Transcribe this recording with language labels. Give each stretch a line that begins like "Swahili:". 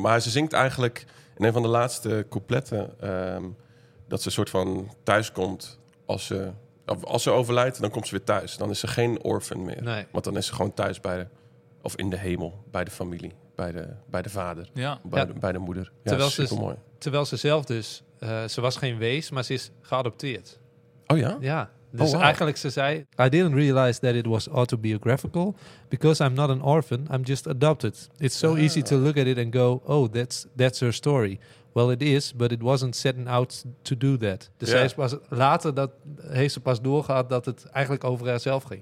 Dutch: Maar ze zingt eigenlijk in een van de laatste coupletten... dat ze een soort van thuis komt als ze overlijdt, dan komt ze weer thuis. Dan is ze geen orphan meer. Nee. Want dan is ze gewoon thuis of in de hemel, bij de familie, bij de vader, bij de moeder. Terwijl ja, supermooi. Terwijl ze zelf dus... ze was geen wees, maar ze is geadopteerd. Oh ja? Ja. Dus eigenlijk ze zei...
English: I didn't realize that it was autobiographical. Because I'm not an orphan, I'm just adopted. It's so easy to look at it and go, oh, that's her story. Well, it is, but it wasn't setting out to do that.
Dutch: Dus zij is pas later heeft ze pas doorgehad dat het eigenlijk over haarzelf ging.